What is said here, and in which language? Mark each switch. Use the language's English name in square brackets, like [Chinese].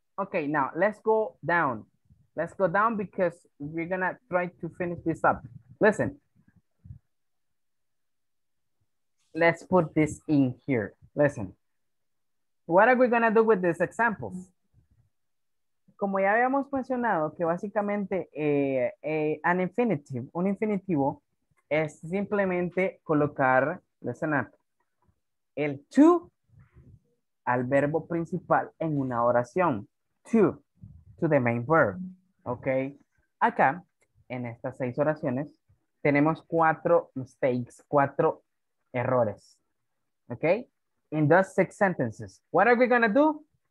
[English] Okay, now let's go down. Let's go down because we're gonna try to finish this up. Listen. Let's put this in here. Listen. What are we gonna do with these examples? [Spanish] Como ya habíamos mencionado que básicamente [English] an infinitive, [Spanish] un infinitivo, es simplemente colocar, [English] listen up, [Spanish] el to al verbo principal en una oración. [English] To the main verb. [Spanish] Ok. Acá, en estas seis oraciones, tenemos cuatro mistakes, cuatro errores. Ok. [English] In those six sentences, what are we going to do?